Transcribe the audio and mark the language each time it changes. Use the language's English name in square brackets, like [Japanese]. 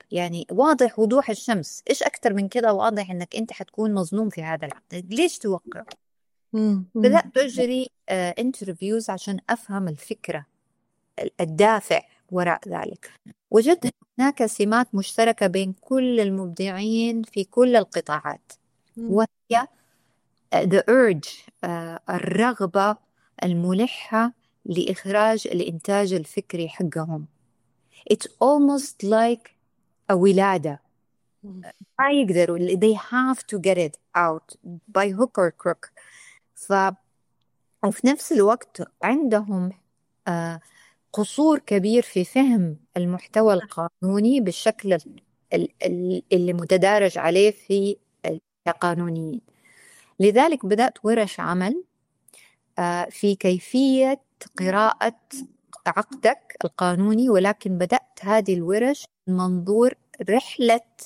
[Arabic] يعني واضح وضوح الشمس، إيش أكتر من كده واضح أنك أنت حتكون مظلوم في هذا العقد، ليش توقع؟ بدأت أجري انترفيوز عشان أفهم الفكرة، الدافع وراء ذلك. وجدت هناك سمات مشتركة بين كل المبدعين في كل القطاعات، وهي [English] the urge، [Arabic] الرغبة الملحة لإخراج الإنتاج الفكري حقهم. [English] It's almost like a [Arabic] ولادة، ما يقدروا، [English] they have to get it out by hook or crook. [Arabic] وفي نفس الوقت عندهم قصور كبير في فهم المحتوى القانوني بالشكل اللي متدارج عليه في القانونيين. لذلك بدأت ورش عمل في كيفية قراءة عقدك القانوني، ولكن بدأت هذه الورش من منظور رحلة